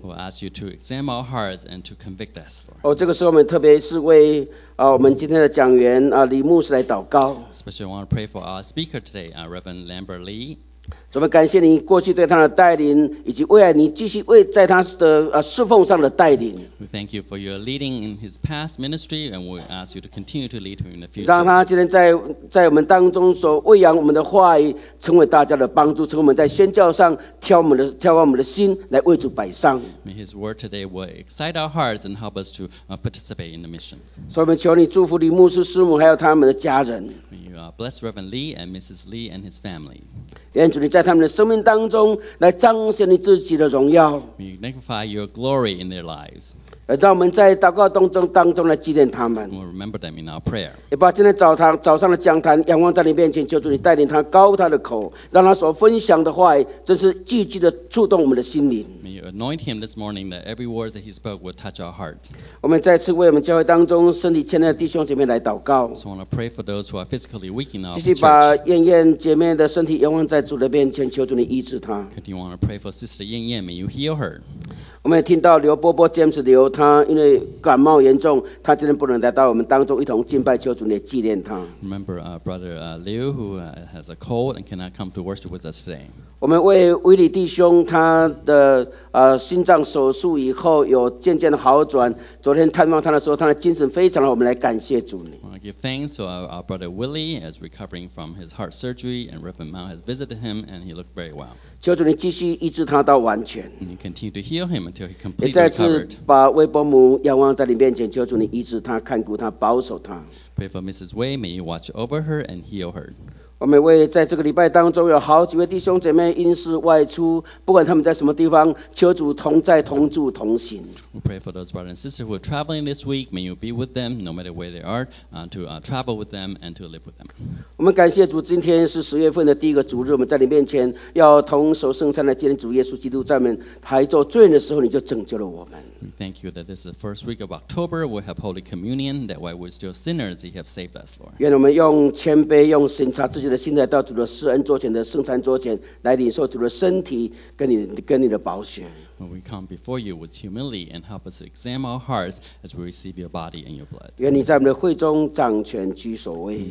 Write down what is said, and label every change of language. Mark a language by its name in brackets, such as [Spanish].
[English] We'll ask you to examine our hearts and to convict us. [Chinese] 这个时候我们特别是为我们今天的讲员李牧师来祷告。 [English] Especially, I want to pray for our speaker today, Reverend Lambert Lee. [Chinese] 我们感谢你过去对他的带领，以及未来你继续为在他的侍奉上的带领。 [English] We thank you for your leading in his past ministry, and we ask you to continue to lead him in the future. [Chinese] 让他今天在我们当中所喂养我们的话语，成为大家的帮助，成为我们在宣教上挑我们的心来为主摆上。 [English] May his word today will excite our hearts and help us to participate in the mission. [Chinese] 所以我们求你祝福李牧师师母还有他们的家人。 [English] May you bless Reverend Lee and Mrs. Lee and his family. [Chinese] 愿主你在他们的生命当中来彰显你自己的荣耀。 [English] May you magnify your glory in their lives. [Chinese] 让我们在祷告当中来纪念他们。 [English] We'll remember them in our prayer. [Chinese] 也把今天早上的讲坛仰望在你面前，求主你带领他高他的口，让他所分享的话真是句句的触动我们的心灵。 [English] May you anoint him this morning that every word that he spoke will touch our heart. [Chinese] 我们再次为我们教会当中身体欠的弟兄姐妹来祷告。 [English] So I want to pray for those who are physically weak in our church. [Chinese] 继续把燕燕姐妹的身体仰望在主的面前，求主你医治她。 [English] Do you want to pray for Sister Yan Yan? May you heal her. [Chinese] 我们也听到刘波波 James 刘，他因为感冒严重，他今天不能来到我们当中一同敬拜，求主你纪念他。 [English] Remember brother Liu who has a cold and cannot come to worship with us today. [Chinese] 我们为威里弟兄他的心脏手术以后有渐渐的好转，昨天探望他的时候，他的精神非常好，我们来感谢主你。 [English] Give thanks to our brother Willie as recovering from his heart surgery, and Reverend Mao has visited him, and he looked very well. [Chinese] 求主你继续医治他到完全。 [English] And you continue to heal him until he completely recovered. [Chinese] 也再次把魏伯母仰望在你面前，求主你医治他，看顾他，保守他。 [English] Pray for Mrs. Wei, may you watch over her and heal her. [Chinese] 我们为在这个礼拜当中有好几位弟兄姐妹因事外出，不管他们在什么地方，求主同在同住同行。 [English] We pray for those brothers and sisters who are traveling this week. May you be with them, no matter where they are, to travel with them and to live with them. [Chinese] 我们感谢主，今天是十月份的第一个主日，我们在你面前要同守圣餐来纪念主耶稣基督，在我们还做罪人的时候，你就拯救了我们。 [English] We thank you that this is the first week of October. We have Holy Communion. That while we're still sinners, you have saved us, Lord. [Chinese] 愿我们用谦卑，用审查自己。现在到主的施恩桌前的圣餐桌前来领受主的身体跟你的宝血。 [English] When we come before you with humility and help us examine our hearts as we receive your body and your blood. [Chinese] 愿你在我们的会中掌权居首位。